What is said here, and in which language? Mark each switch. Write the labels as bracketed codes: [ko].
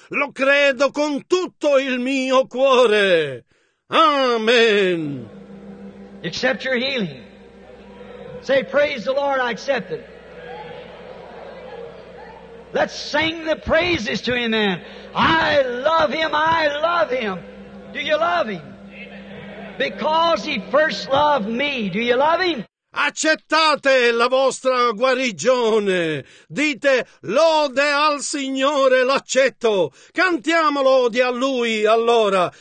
[it] Lo credo con tutto il mio cuore. Amen. [en] Accept your healing. Say, praise the Lord, I accept it. Let's sing the praises to him then. I love him, I love him. Do you love him? Because he first loved me. Do you love him? [it] Accettate la vostra guarigione. Dite, lode al Signore, l'accetto. Cantiamo lode a Lui, allora.